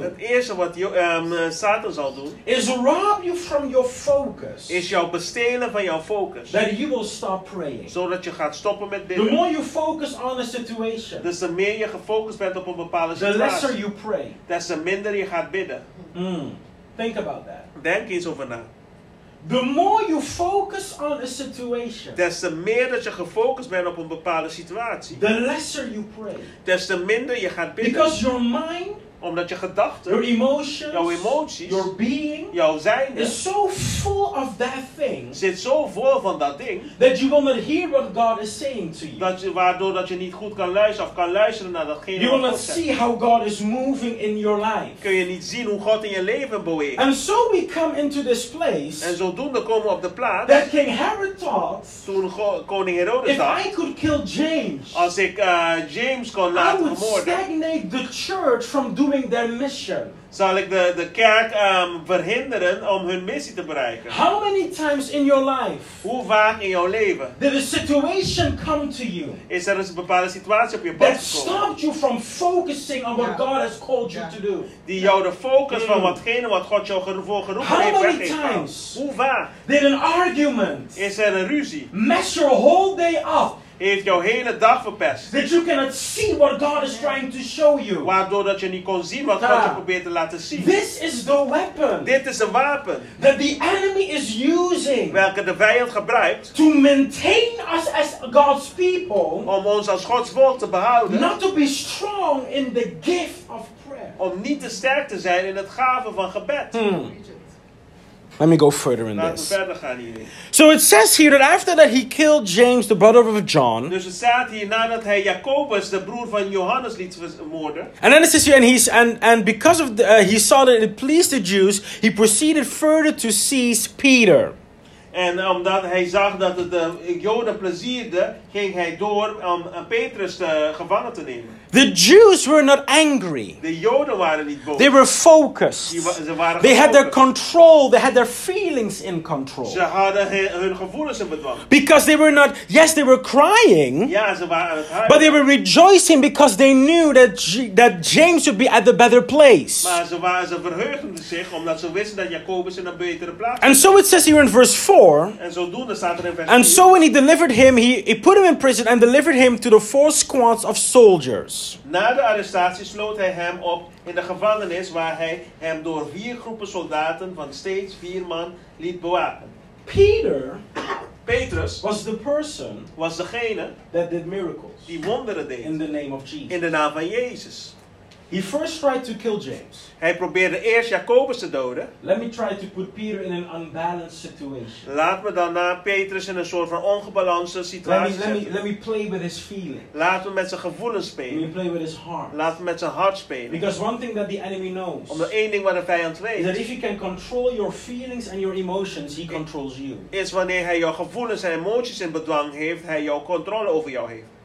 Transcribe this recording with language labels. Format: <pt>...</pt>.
<nl>Het eerste wat Satan zal doen.</nl> <en>Is rob you from your focus.</en> <nl>Is jou bestelen van jouw focus.</nl> <en>That you will stop praying.</en> <nl>Zodat je gaat stoppen met bidden.</nl> <en>The more you focus on a situation.</en> <nl>Dus de meer je gefocust bent op een bepaalde situatie.</nl> <en>The lesser you pray.</en> <nl>Des te minder je gaat bidden.</nl> <en>Think about that.</en> <nl>Denk eens over na.</nl> <en>The more you focus on a situation,</en> <nl>des te meer dat je gefocust bent op een bepaalde situatie,</nl> <en>the lesser you pray,</en> <nl>des te minder je gaat bidden.</nl> <en>Because your mind,</en> <nl>omdat je gedachten,</nl> <en>your emotions,</en> <nl>jouw emoties,</nl> <en>your being,</en> <nl>jouw zijn,</nl> <en>is so full of that thing,</en> <nl>zit zo vol van dat ding,</nl> <en>that you will not hear what God is saying to you.</en> <nl>Dat je, waardoor dat je niet goed kan luisteren of kan luisteren naar datgene wat God zegt.</nl> <en>You will not see how God is moving in your life.</en> <nl>Kun je niet zien hoe God in je leven beweegt.</nl> <en>And so we come into this place.</en> <nl>En zodoende komen we op de plaats.</nl> <en>That King Herod thought.</en> <nl>Toen koning Herodes</nl> <en>if</en> <nl>dacht.</nl> <en>If I could kill James.</en> <nl>Als ik James kon laten vermoorden.</nl> <en>I would stagnate the church from doing their mission.</en> <nl>Zal ik de kerk verhinderen om hun missie te bereiken?</nl> <en>How many times in your life?</en> <nl>Hoe vaak in jouw leven?</nl> <en>Did a situation come to you?</en> <nl>Is er een bepaalde situatie op je pad</nl> <en>that</en> <nl>gekomen?</nl> <en>Stopped you from focusing on what God has called you to do?</en> <nl>Die jou de focus van watgene wat God jou voor geroepen</nl> <en>how</en> <nl>heeft</nl> <en>many</en> <nl>weggeeft.</nl> <en>Times?</en> <nl>Hoe vaak?</nl> <en>Did an argument?</en> <nl>Is er een ruzie?</nl> <en>Mess your whole day up.</en> <nl>Heeft jouw hele dag verpest.</nl> <en>That you cannot see what God is trying to show you.</en> <nl>Waardoor dat je niet kon zien wat God je probeert te laten zien.</nl> <en>This is the weapon.</en> <nl>Dit is een wapen.</nl> <en>That the enemy is using.</en> <nl>Welke de vijand gebruikt.</nl> <en>To maintain us as God's people.</en> <nl>Om ons als Gods volk te behouden.</nl> <en>Not to be strong in the gift of prayer.</en> <nl>om niet te sterk te zijn in het gaven van gebed.</nl> <en>Let me go further in this.</en> <nl>Laten we verder gaan hierin.</nl> <en>So it says here that after that he killed James, the brother of John.</en> <nl>Dus het staat hier nadat hij Jacobus, de broer van Johannes, liet vermoorden.</nl> <en>And then it says here, and because of the, he saw that it pleased the Jews, he proceeded further to seize Peter.</en> <nl>En omdat hij zag dat het de Joden plezierde, ging hij door om Petrus gevangen te nemen.</nl> <en>The Jews were not angry.</en> <nl>De Joden waren niet boos.</nl> <en>They were focused. They had their control. They had their feelings in control.</en> <nl>Ze hadden hun gevoelens in bedwang.</nl> <en>Because they were not, yes, they were crying.</en> <nl>Ja, ze waren aan het huilen.</nl> <en>But they were rejoicing because they knew that that James would be at the better place.</en> <nl>Maar ze verheugden zich omdat ze wisten dat Jacobus in een betere plaats was.</nl> <en>And so it says here in verse 4.</en> <nl>En zodoende staat er in vers 4.</nl> <en>And so when he delivered him, he put him in prison and delivered him to the four squads of soldiers.</en> <nl>Na de arrestatie sloot hij hem op in de gevangenis waar hij hem door vier groepen soldaten van steeds vier man liet bewaken. Petrus</nl> <en>was the person</en> <nl>was degene</nl> <en>that did miracles</en> <nl>die wonderen deed</nl> <en>in the name of Jesus.</en> <nl>In de naam van Jezus.</nl> <en>He first tried to kill James.</en> <nl>Hij probeerde eerst Jacobus te doden.</nl> <en>Let me try to put Peter in an unbalanced situation.</en> <nl>Laat me dan naar Petrus in een soort van ongebalanceerde situatie zetten.</nl> <en>Let me play with his feelings.</en> <nl>Laat me met zijn gevoelens spelen.</nl> <en>Let me play with his heart.</en> <nl>Laat me met zijn hart spelen.</nl> <en>Because one thing that the enemy knows.</en> <nl>Omdat één ding wat de vijand weet.</nl> <en>Is that if he can control your feelings and your emotions, he controls you.</en> <nl>Is wanneer hij jouw gevoelens en emoties in bedwang heeft, hij jouw controle over jou heeft.</nl>